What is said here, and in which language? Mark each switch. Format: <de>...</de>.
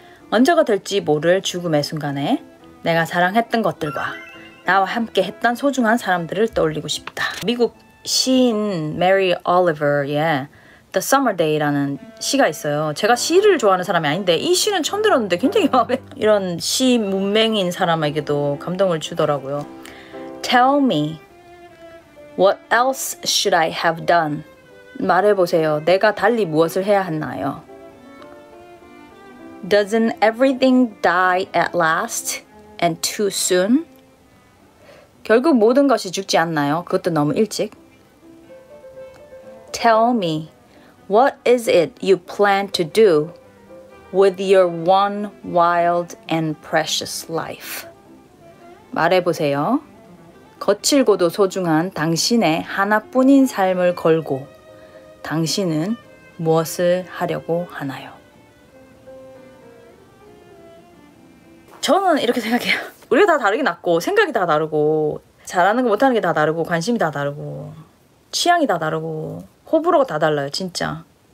<ko>언제가 될지 모를 죽음의 순간에 내가 사랑했던 것들과 나와 함께 했던 소중한 사람들을 떠올리고 싶다. 미국 시인 메리 올리버의 The Summer Day라는 시가 있어요. 제가 시를 좋아하는 사람이 아닌데 이 시는 처음 들었는데 굉장히 마음에 이런 시 문맹인 사람에게도 감동을 주더라고요.</ko> <en>Tell me what else should I have done?</en> <ko>말해보세요. 내가 달리 무엇을 해야 했나요?</ko> <en>Doesn't everything die at last and too soon?</en> <ko>결국 모든 것이 죽지 않나요? 그것도 너무 일찍.</ko> <en>Tell me, what is it you plan to do with your one wild and precious life?</en> <ko>말해보세요. 거칠고도 소중한 당신의 하나뿐인 삶을 걸고 당신은 무엇을 하려고 하나요? 저는 이렇게 생각해요. 우리가 다 다르게 낳고 생각이 다 다르고 잘하는 거 못하는 게 다 다르고 관심이 다 다르고 취향이 다 다르고 호불호가 다 달라요, 진짜.</ko>